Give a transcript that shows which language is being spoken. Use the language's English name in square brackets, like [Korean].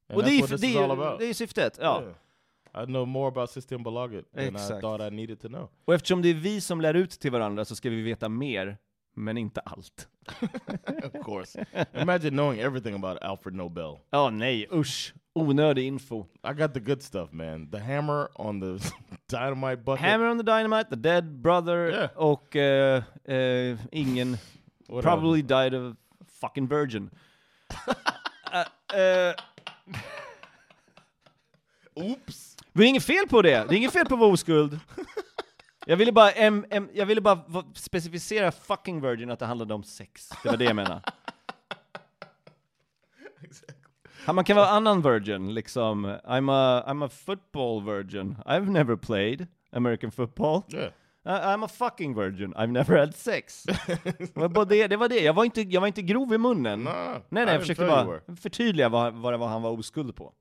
[English] And well, that's what this is all about. [Swedish] Det är syftet, ja. Yeah. [English] I know more about Systembolaget than I thought I needed to know. [Swedish] Och eftersom det är vi som lär ut till varandra så ska vi veta mer, men inte allt. [English] Of course. Imagine knowing everything about Alfred Nobel. [Swedish] Oh, nej, usch. Onödig info. [English] I got the good stuff, man. The hammer on the dynamite bucket. Hammer on the dynamite, the dead brother, yeah. [Swedish] Och ingen. [English] Probably died of fucking virgin. Oops. [Swedish] Det är inget fel på det. Det är inget fel på vår oskuld. Jag ville bara specificera [English] fucking virgin [Swedish] att det handlade om sex. Det var det jag menar. [English] Exactly. [Swedish] Man kan vara annan virgin liksom. [English] I'm a football virgin. I've never played American football. Yeah. I'm a fucking virgin. I've never had sex. [Swedish] Det var det. Jag var inte grov i munnen. [English] No, [Swedish] nej, jag försökte bara förtydliga vad han var oskuld på.